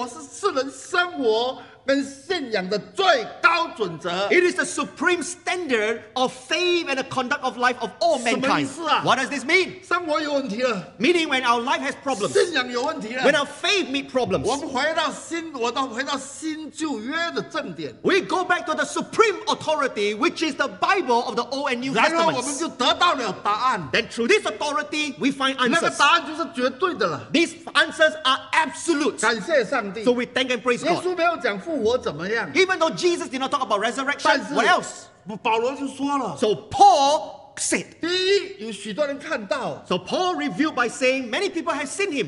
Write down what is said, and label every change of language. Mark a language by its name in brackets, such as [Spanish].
[Chinese] 是我们生活, 跟信仰的最高准则, [English] it is the supreme standard of faith and the conduct of life of all mankind. [Chinese] 什么意思啊? [English] What does this mean? [Chinese] 生活有问题了, [English] meaning when our life has problems, [Chinese] 信仰有问题了, [English] when our faith meets problems, [Chinese] 我们回到新旧约的正典, [English] we go back to the supreme authority, which is the Bible of the Old and New Testament. [Chinese] 然后我们就得到了答案, [English] then through this authority, we find answers. [Chinese] 那个答案就是绝对的了, [English] these answers are absolute. [Chinese] 感谢上帝, [English] so we thank and praise God. [Chinese] 耶稣没有讲, [English] Even though Jesus did not talk about resurrection, [Chinese] 但是, [English] what else? [Chinese] 保罗就说了, [English] so Paul said, [Chinese] 第一,有许多人看到, [English] so Paul revealed by saying, many people have seen him.